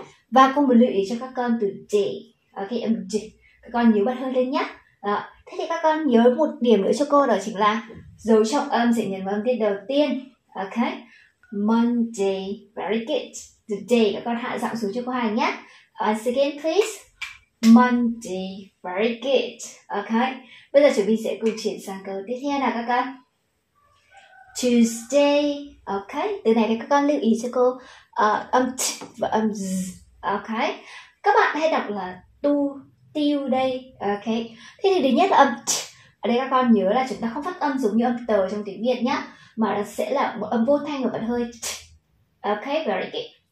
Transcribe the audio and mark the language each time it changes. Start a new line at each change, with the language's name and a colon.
Vietnamese: Và cô muốn lưu ý cho các con từ day. Ok, âm d, các con nhớ bật hơi lên nhé. Đó. Thế thì các con nhớ một điểm nữa cho cô, đó chính là dấu trọng âm sẽ nhấn vào âm tiết đầu tiên.
English: Ok, Monday, very good.
Vietnamese: The day, các con hạ giọng xuống cho cô Hà nhé.
English: Once again please, Monday, very good.
Vietnamese: Ok, bây giờ chúng mình sẽ cùng chuyển sang câu tiếp theo nào các con. Tuesday. Ok, từ này thì các con lưu ý cho cô âm t và âm z. Ok, các bạn hay đọc là tu tiêu đây. Ok, thế thì thứ nhất là âm t. Ở đây các con nhớ là chúng ta không phát âm giống như âm tờ trong tiếng Việt nhé, mà nó sẽ là một âm vô thanh và bật hơi t.
English: Ok, very good.